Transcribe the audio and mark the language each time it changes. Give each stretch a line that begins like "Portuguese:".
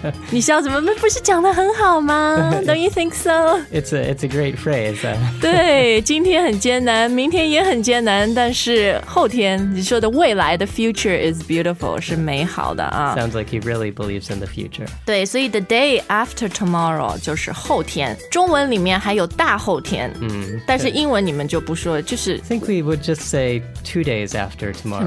Chinese: 你笑什么不是讲得很好吗 ?
English: Don't you think so? It's a great phrase.
Chinese: 对今天很艰难明天也很艰难但是后天你说的未来
English: the future is beautiful,
Chinese: 是美好的啊。
English: Sounds like he really believes in the future.
Chinese: 对所以
English: the day after tomorrow
Chinese: 就是后天。中文里面还有大后天，但是英文你们就不说，就是
English: I think we would just say 2 days after tomorrow.